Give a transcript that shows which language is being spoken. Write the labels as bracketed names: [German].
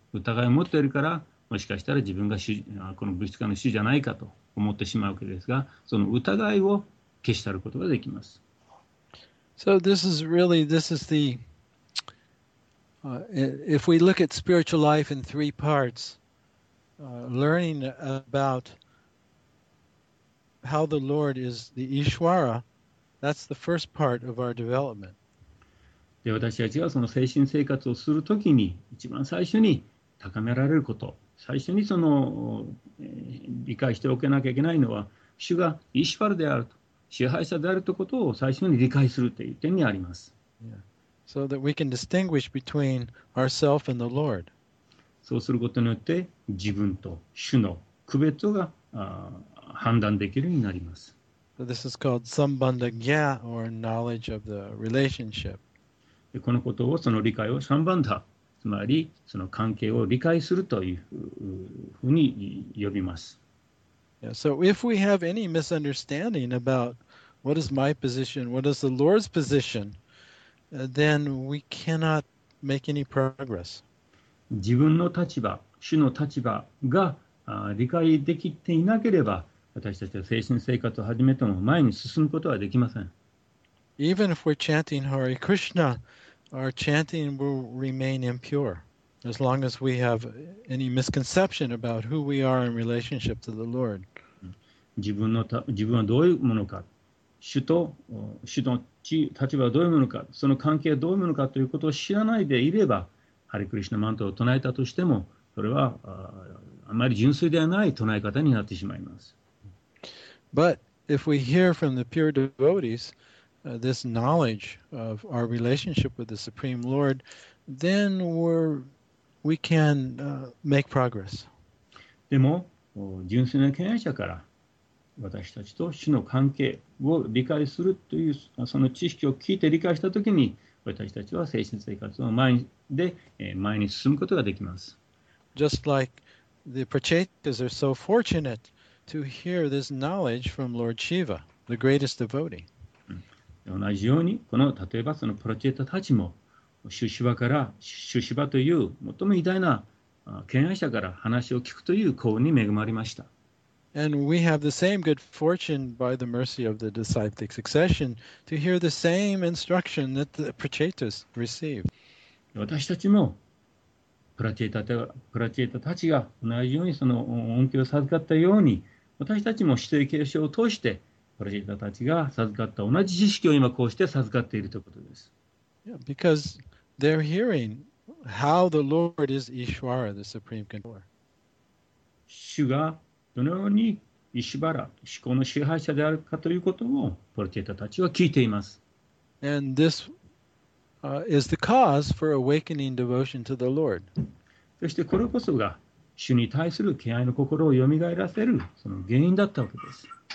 [Japanese] 疑いを持っているから、もしかしたら自分がこの物質界の主じゃないかと思ってしまうわけですが、その疑いを消したることができます。 [English] So this is really, this is the, if we look at spiritual life in three parts, learning about how the Lord is the Ishwara, that's the first part of our development. [Japanese] で、私たちがその精神生活をするときに、一番最初に高められること、最初にその、理解しておけなきゃいけないのは、主がイシュワラであると。支配者であるということを最初に理解するという点にあります。 [English] So that we can distinguish between ourself and the Lord. [Japanese] そうすることによって自分と主の区別が判断できるようになります。 [English] So this is called sambandha gya or knowledge of the relationship. [Japanese] このことをその理解をサンバンダ、つまりその関係を理解するというふうに呼びます。 [English] Yeah, so if we have any misunderstanding about what is my position, what is the Lord's position, then we cannot make any progress. [Japanese] 自分の立場、主の立場が理解できていなければ、私たちは精神生活を始めても前に進むことはできません。 [English] Even if we're chanting Hare Krishna, our chanting will remain impure as long as we have any misconception about who we are in relationship to the Lord. [Japanese] 自分はどういうものか、主の立場はどういうものか、その関係はどういうものかということを知らないでいれば、ハリクリシュナマントを唱えたとしても、それは あまり純粋ではない唱え方になってしまいます。 [English] But if we hear from the pure devotees, this knowledge of our relationship with the Supreme Lord, then we can make progress. [Japanese] でも、純粋な権威者から私たちと主の関係を理解するというその知識を聞いて理解したときに、私たちは精神生活の前に進むことができます。 [English] Just like the Prachetas are so fortunate to hear this knowledge from Lord Shiva, the greatest devotee. [Japanese] 同じように、この例えばそのプラチェタたちも、シュシバから、シュシバという最も偉大な権威者から話を聞くという幸運に恵まれました。 [English] And we have the same good fortune by the mercy of the disciplic succession to hear the same instruction that the Prachetas received. [Japanese] 私たちもプラチェタたちが同じようにその恩恵を授かったように、私たちも指定継承を通してプラチェタたちが授かった同じ知識を今こうして授かっているということです。 [English] Yeah, because they're hearing how the Lord is Ishvara, the Supreme Controller. [Japanese] 主がどのようにイシュバラ、思考の支配者であるかということをプラチェタたちは聞いています。 [English] And this is the cause for awakening devotion to the Lord. [Japanese] そしてこれこそが主に対する敬愛の心をよみがえらせるその原因だったわけです。